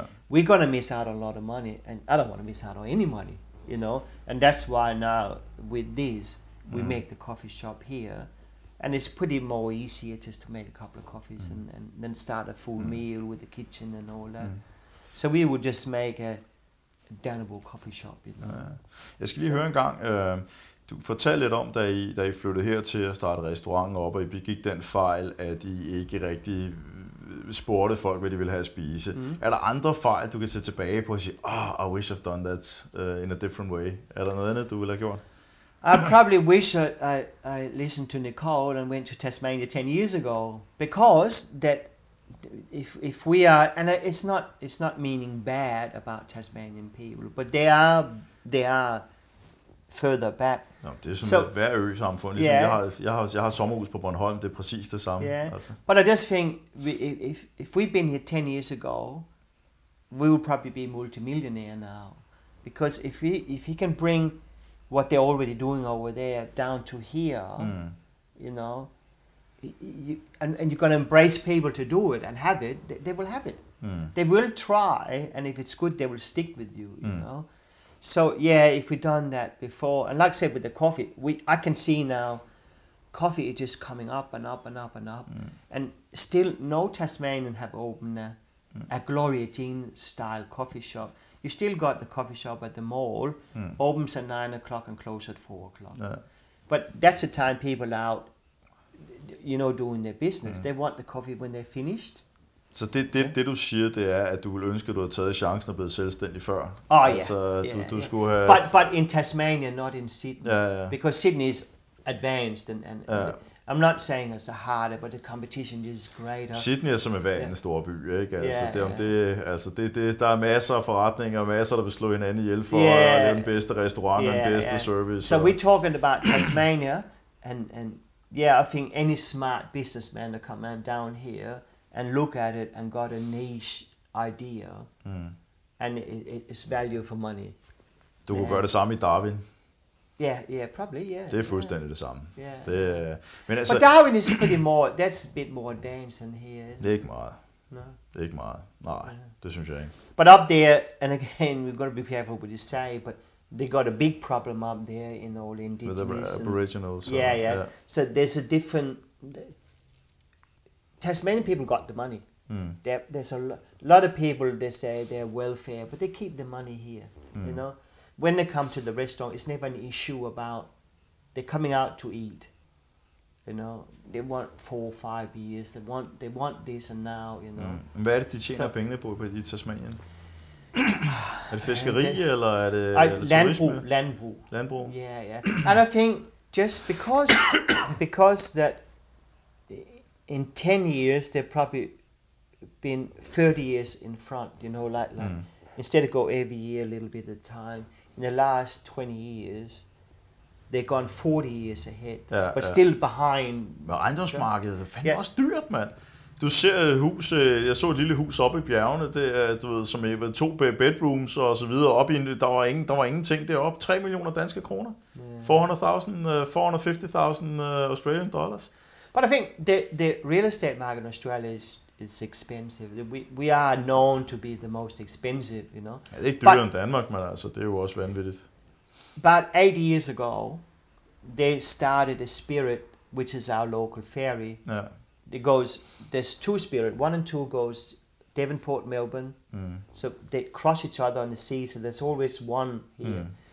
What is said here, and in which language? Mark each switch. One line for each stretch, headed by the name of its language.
English: We're gonna miss out on a lot of money, and I don't want to miss out on any money, you know. And that's why now with this, we make the coffee shop here, and it's pretty more easier just to make a couple of coffees and then start a full meal with the kitchen and all that. So we would just make a Danable coffee shop, you know.
Danish: Jeg skal lige høre en gang. Du fortalte lidt om, da I flyttede her til at starte restauranten op, og I begik den fejl, at I ikke rigtig spurgte folk, hvad de ville have at spise. Er der andre fejl, du kan se tilbage på og sige,
English: I wish I've done that in a different way?
Danish: Er der noget andet, du ville have gjort?
English: I probably wish I listened to Nicole and went to Tasmania 10 years ago, because that if we are, and it's not meaning bad about Tasmanian people, but they are further back.
Danish: Nå, det er sådan hver ø samfund. Ligesom, yeah. Jeg har sommerhus på Bornholm. Det er præcis det samme. Yeah. Altså.
English: But I just think if we'd been here 10 years ago, we would probably be multimillionaire now, because if he can bring what they're already doing over there down to here, you know, and you're going to embrace people to do it and have it, they will have it. Mm. They will try, and if it's good, they will stick with you, you know. So, yeah, if we've done that before, and like I said with the coffee, I can see now coffee is just coming up and up and up and up, and still no Tasmanian have opened a Gloria Jean-style coffee shop. You still got the coffee shop at the mall, opens at 9 o'clock and closes at 4 o'clock. But that's the time people are out, you know, doing their business. They want the coffee when they're finished.
Danish: Så det du siger, det er, at du ville ønske, at du havde taget chancen og blevet selvstændig før. Skulle have...
English: But in Tasmania, not in Sydney. Yeah, yeah. Because Sydney is advanced and I'm not saying it's harder, but the competition is greater.
Danish: Sydney er som i hver anden store by, ikke? Altså, der er masser af forretninger, masser, der vil slå hinanden ihjel for at lave den bedste restaurant og den bedste service.
English: So we're talking about Tasmania, and yeah, I think any smart businessman to come down here and look at it and got a niche idea, and it's value for money.
Danish: Du kunne gøre det samme i Darwin.
English: Yeah, probably, yeah.
Danish: Det er fuldstændig det samme.
English: Yeah.
Danish: Det, men altså,
English: but Darwin is pretty more, that's a bit more advanced than here, isn't it?
Danish: Det er ikke meget.
English: No.
Danish: Det er ikke meget. Nej, det synes jeg ikke.
English: But up there, and again, we've got to be careful what you say, but they got a big problem up there in all indigenous. With the aboriginals. So there's a different... Tasmanian people got the money. Mm. There's a lot of people, they say they're welfare, but they keep the money here, you know? When they come to the restaurant, it's never an issue about they're coming out to eat. You know, they want 4 or 5 years. They want this and now. You know. Mm.
Danish: Hvad er det, de tjener pengene på i Tasmanien? Er det fiskeri eller er det landbrug? Landbrug. Yeah.
English: And I think just because that in 10 years they've probably been 30 years in front. You know, like instead of go every year a little bit at a time. In the last 20 years, they've gone 40 years ahead, but still behind.
Danish: Men ejendomsmarkedet er fandme også dyrt, mand. Du ser et hus, jeg så et lille hus oppe i bjergene, det er, du ved, som er 2 bedrooms og så videre, op i, der var ingenting deroppe. 3 millioner danske kroner. Yeah.
English: 450,000 Australian dollars. But I think the real estate market in Australia is expensive. We are known to be the most expensive, you know.
Danish: Ja, det er ikke dyrere end Danmark, men altså, det er jo også vanvittigt.
English: But 8 years ago, they started a spirit, which is our local ferry.
Danish: Ja.
English: It goes, there's 2 spirit. 1 and 2 goes Devonport, Melbourne. Mm. So they cross each other on the sea, so there's always one here. Mm.